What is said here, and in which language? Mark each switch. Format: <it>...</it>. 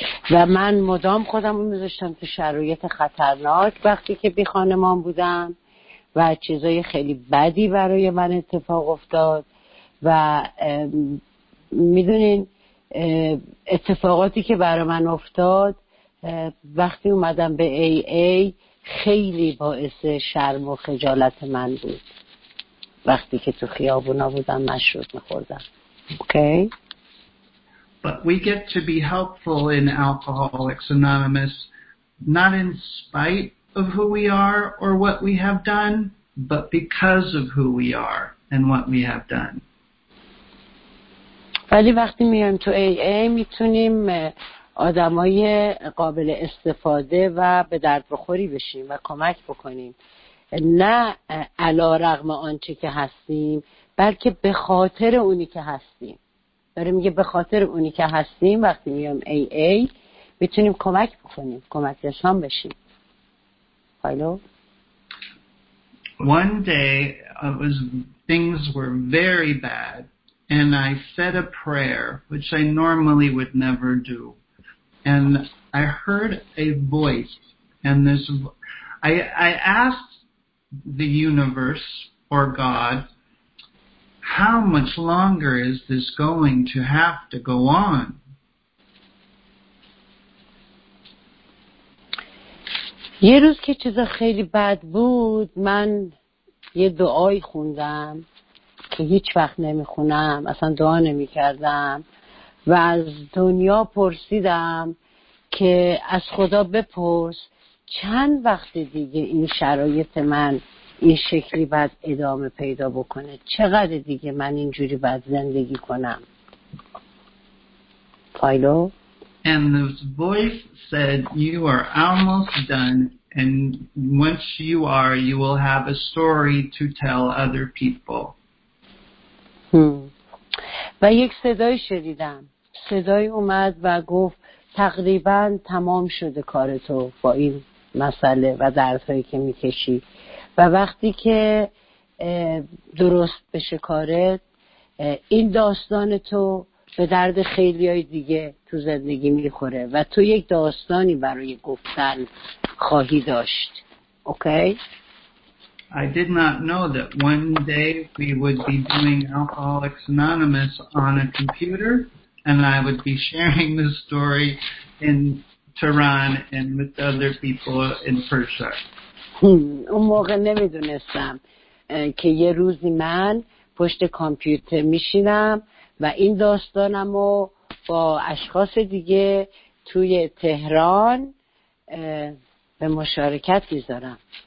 <fa>و من مدام خودم رو میذاشتم تو شرایط خطرناک وقتی که بی خانمان بودم و چیزای خیلی بدی برای من اتفاق افتاد و میدونین اتفاقاتی که برای من افتاد وقتی اومدم به AA خیلی باعث شرم و خجالت من بود وقتی که تو خیابونا بودم مشروب میخوردم.</fa> <en>Okay? But we get to be helpful in Alcoholics Anonymous, not in spite of who we are or what we have done, but because of who we are and what we have done.</en> <fa>ولی وقتی میایم تو AA میتونیم آدمای قابل استفاده و به درد بخوری بشیم و کمک بکنیم. نه علارغم آنچه که هستیم، بلکه به خاطر اونی که هستیم. داره میگه به خاطر اونی که هستیم وقتی میام AA میتونیم کمک بکنیم، کمک رسان بشیم. فایلو.</fa> <en>One day things were very bad and I said a prayer which I normally would never do. And I heard a voice and this I asked the universe or God, how much longer is this going to have to go on?</en> <fa>یه روز که چیزا خیلی بد بود من یه دعایی خوندم که هیچ وقت نمیخونم، اصلا دعا نمیکردم و از دنیا پرسیدم که از خدا بپرس چند وقت دیگه این شرایط من این شکلی باید ادامه پیدا بکنه، چقدر دیگه من اینجوری باید زندگی کنم. فایلو.</fa> <en>And this voice said you are almost done and once you are you will have a story to tell other people.</en> <fa>و یک صدای شنیدم، صدای اومد و گفت تقریبا تمام شده کار تو با این مسئله و دردهایی که میکشی و وقتی که درست بشه کارت این داستان تو به درد خیلی های دیگه تو زندگی میخوره و تو یک داستانی برای گفتن خواهی داشت.</fa> <en>Okay? I did not know that one day we would be doing Alcoholics Anonymous on a computer and I would be sharing the story in Tehran and with other people in Persia.</en> <fa>اون موقع نمیدونستم که یه روزی من پشت کامپیوتر میشینم و این داستانمو با اشخاص دیگه توی تهران به مشارکت میذارم.</fa>